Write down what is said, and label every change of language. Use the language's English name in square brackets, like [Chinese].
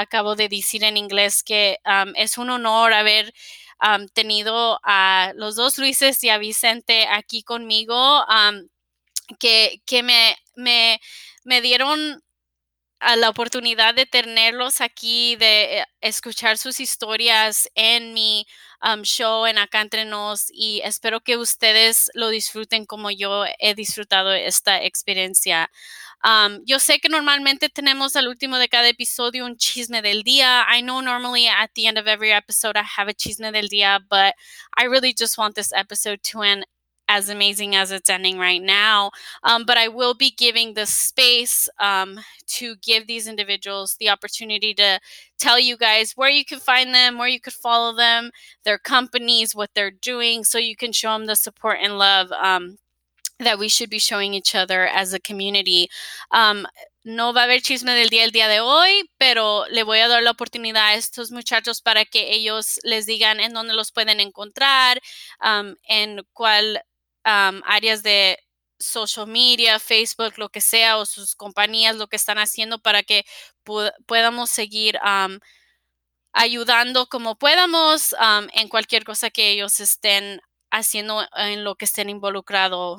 [Spanish] Acabo de decir en inglés que es un honor haber tenido a los dos Luises y a Vicente aquí conmigo, que me dieron la oportunidad de tenerlos aquí, de escuchar sus historias en mi show en Acá Entre Nos, y espero que ustedes lo disfruten como yo he disfrutado esta experiencia. Yo sé que normalmente tenemos al último de cada episodio un chisme del día. [English] I know normally at the end of every episode I have a [Spanish] chisme del día, [English] but I really just want this episode to end as amazing as it's ending right now. But I will be giving the space to give these individuals the opportunity to tell you guys where you can find them, where you could follow them, their companies, what they're doing, so you can show them the support and love that we should be showing each other as a community. [Spanish] No va a haber chisme del día el día de hoy, pero le voy a dar la oportunidad a estos muchachos para que ellos les digan en dónde los pueden encontrar, en cuál áreas de social media, Facebook, lo que sea, o sus compañías, lo que están haciendo para que podamos seguir ayudando como podamos en cualquier cosa que ellos estén haciendo en lo que estén involucrado.